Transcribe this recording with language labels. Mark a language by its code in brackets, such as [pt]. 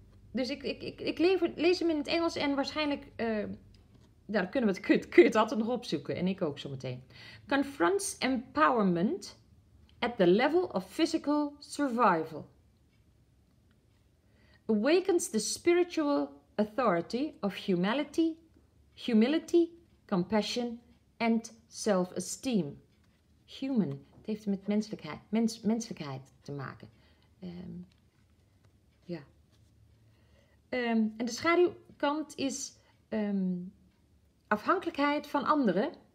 [nl] Dus ik lees hem in het Engels en waarschijnlijk daar kunnen we het kun je het altijd nog opzoeken. En ik ook zometeen. [en] Confronts empowerment at the level of physical survival. Awakens the spiritual authority of humility, compassion and self-esteem. [nl] Human, het heeft met menselijkheid te maken. En de schaduwkant is afhankelijkheid van anderen.